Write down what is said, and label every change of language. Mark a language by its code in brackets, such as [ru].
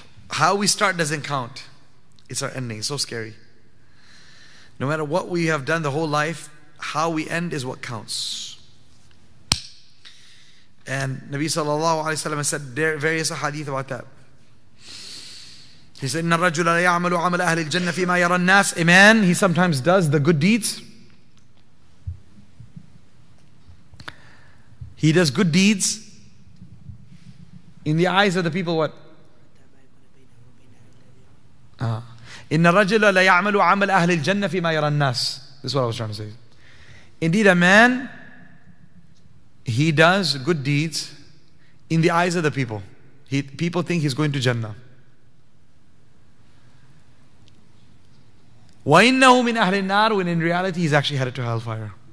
[en] How we start doesn't count. It's our ending. It's so scary. No matter what we have done the whole life, how we end is what counts. And Nabi sallallahu alayhi wa sallam said various hadith about that. He said, [ar] إِنَّ الرَّجُلَ لَيَعْمَلُ عَمَلَ أَهْلِ الْجَنَّةِ فِي مَا يَرَى النَّاسِ. [en] A man, he sometimes does the good deeds. He does good deeds in the eyes of the people. What? [ar] إِنَّ الرَّجُلَ لَيَعْمَلُ عَمَلَ أَهْلِ الْجَنَّةِ فِي مَا يَرَى النَّاسِ. [en] This is what I was trying to say. Indeed, a man, he does good deeds in the eyes of the people. People think he's going to Jannah. [ar] وَإِنَّهُ مِنْ أَهْلِ النَّارِ, [en] when in reality he's actually headed to hellfire.